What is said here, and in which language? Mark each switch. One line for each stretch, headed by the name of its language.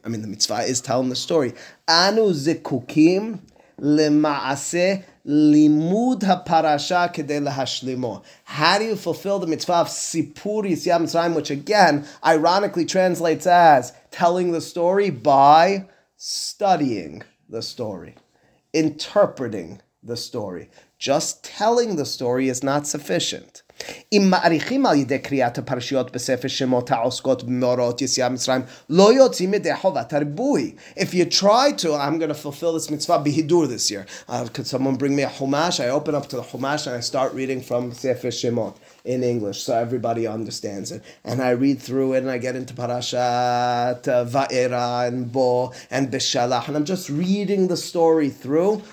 English: I mean, the mitzvah is telling the story.
Hebrew: Anu zikukim lema'ase limud ha'parasha kedei lehashlimo.
English: How do you fulfill the mitzvah of Sipur Yisya Mitzrayim, which again, ironically translates as telling the story by studying the story, interpreting the story. Just telling the story is not sufficient.
Hebrew: אם מאריכים על ידי קריאת הפרשיות בספר שמות העוסקות במאורעות יציאת מצרים, לא יוצאים מדי חובת הריבוי.
English: If you try to, I'm going to fulfill this mitzvah בהידור this year. Could someone bring me a chumash? I open up to the chumash and I start reading from ספר שמות in English so everybody understands it. And I read through it and I get into parashat Va'era and Bo and Beshalach and I'm just reading the story through.